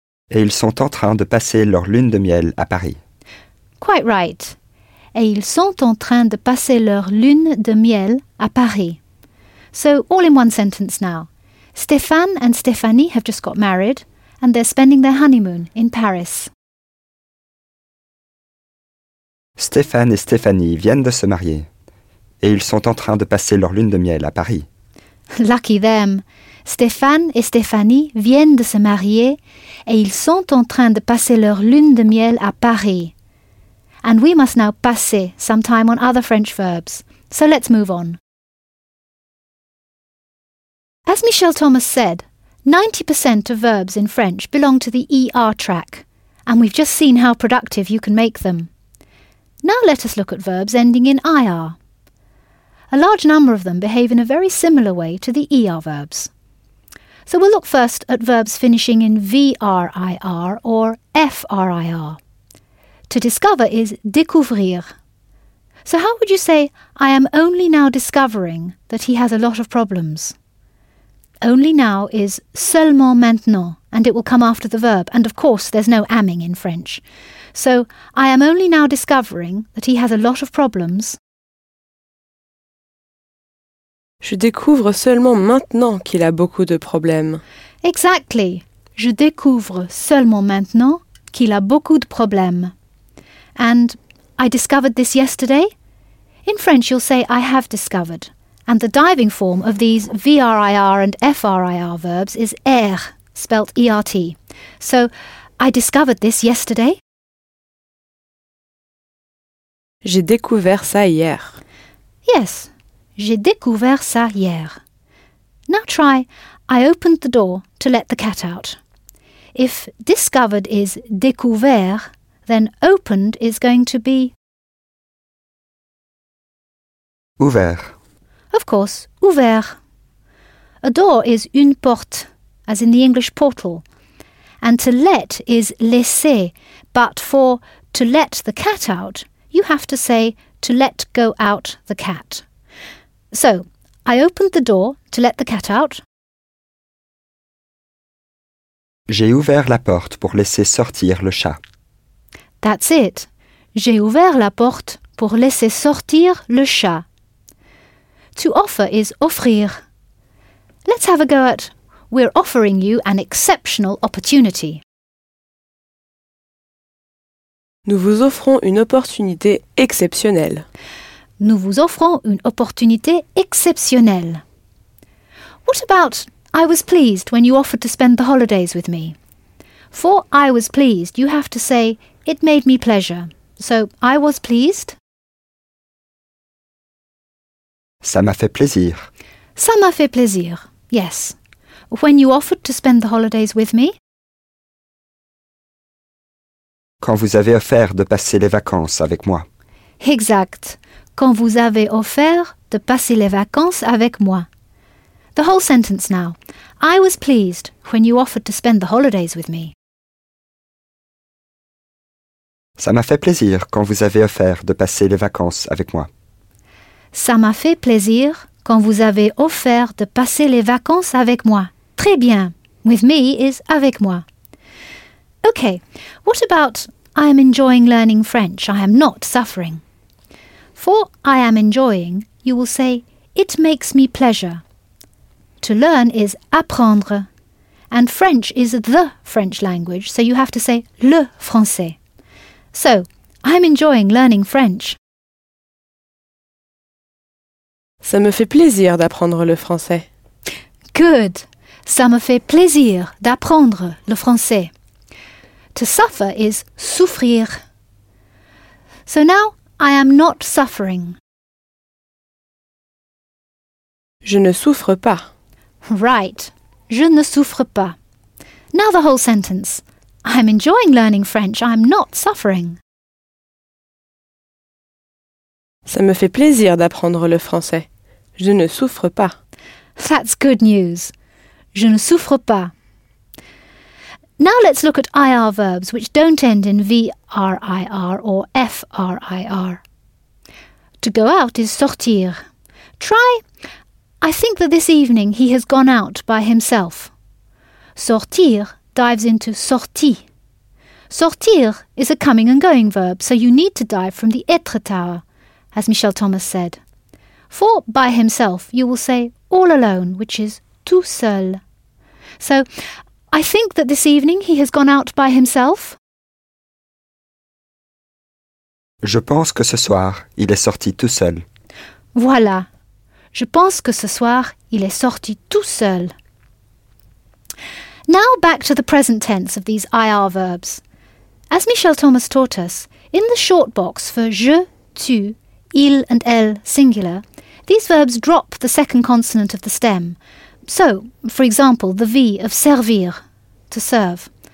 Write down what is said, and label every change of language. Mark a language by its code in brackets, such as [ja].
[fr] Et ils sont en train de passer leur lune de miel à Paris. [en] Quite right. [fr] Et ils sont en train de passer leur lune de miel à Paris. [en] So, all in one sentence now. Stéphane and Stéphanie have just got married and they're spending their honeymoon in Paris. [fr] Stéphane et Stéphanie viennent de se marier et ils sont en train de passer leur lune de miel à Paris. [en] Lucky them! [fr] Stéphane et Stéphanie viennent de se marier et ils sont en train de passer leur lune de miel à Paris. [en] and we must now passer some time on other French verbs. So let's move on. As Michel Thomas said, 90% of verbs in French belong to the ER track, and we've just seen how productive you can make them. Now let us look at verbs ending in IR. A large number of them behave in a very similar way to the ER verbs. So we'll look first at verbs finishing in VRIR or FRIR. To discover is découvrir. So how would you say, I am only now discovering that he has a lot of problems? Only now is [fr] seulement maintenant, [en] and it will come after the verb. And of course, there's no amming in French. So, I am only now discovering that he has a lot of problems. [fr] Je découvre seulement maintenant qu'il a beaucoup de problèmes. [en] Exactly. [fr] Je découvre seulement maintenant qu'il a beaucoup de problèmes. [en] And I discovered this yesterday? In French, you'll say I have discovered. And the diving form of these VRIR and FRIR verbs is ER, spelt ERT. So, I discovered this yesterday. [fr] J'ai découvert ça hier. Yes, j'ai découvert ça hier. [en] Now try, I opened the door to let the cat out. If discovered is découvert, then opened is going to be... [fr] ouvert. [en] Of course, ouvert. A door is [fr] une porte, [en] as in the English portal. And to let is laisser, but for to let the cat out, you have to say to let go out the cat. So, I opened the door to let the cat out. [fr] J'ai ouvert la porte pour laisser sortir le chat. [en] That's it. [fr] J'ai ouvert la porte pour laisser sortir le chat. [en] To offer is offrir. Let's have a go at we're offering you an exceptional opportunity. [fr] Nous vous offrons une opportunité exceptionnelle. Nous vous offrons une opportunité exceptionnelle. [en] What about I was pleased when you offered to spend the holidays with me? For I was pleased, you have to say it made me pleasure. So I was pleased. [fr] Ça m'a fait plaisir. Ça m'a fait plaisir, yes. [en] When you offered to spend the holidays with me? [fr] Quand vous avez offert de passer les vacances avec moi. Exact. Quand vous avez offert de passer les vacances avec moi. [en] The whole sentence now. I was pleased when you offered to spend the holidays with me. [fr] Ça m'a fait plaisir quand vous avez offert de passer les vacances avec moi. Ça m'a fait plaisir quand vous avez offert de passer les vacances avec moi. Très bien. [en] With me is [fr] avec moi. [en] Okay, what about I am enjoying learning French, I am not suffering? For I am enjoying, you will say, it makes me pleasure. To learn is apprendre. And French is the French language, so you have to say [fr] le français. [en] So, I am enjoying learning French. [fr] Ça me fait plaisir d'apprendre le français. [en] Good. [fr] Ça me fait plaisir d'apprendre le français. [en] To suffer is souffrir. So now, I am not suffering. [fr] Je ne souffre pas. [en] Right. [fr] Je ne souffre pas. [en] Now the whole sentence. I am enjoying learning French. I am not suffering. [fr] Ça me fait plaisir d'apprendre le français. Je ne souffre pas. [en] That's good news. [fr] Je ne souffre pas. [en] Now let's look at IR verbs which don't end in VRIR or FRIR. To go out is sortir. Try, I think that this evening he has gone out by himself. Sortir dives into sorti. Sortir is a coming and going verb, so you need to dive from the être tower, as Michel Thomas said. For by himself, you will say all alone, which is [fr] tout seul. [en] So, I think that this evening he has gone out by himself. [fr] Je pense que ce soir, il est sorti tout seul. Voilà. Je pense que ce soir, il est sorti tout seul. [en] Now back to the present tense of these IR verbs. As Michel Thomas taught us, In the short box for je, tu, il and elle singular, these verbs drop the second consonant of the stem. So, for example, the V of servir, to serve.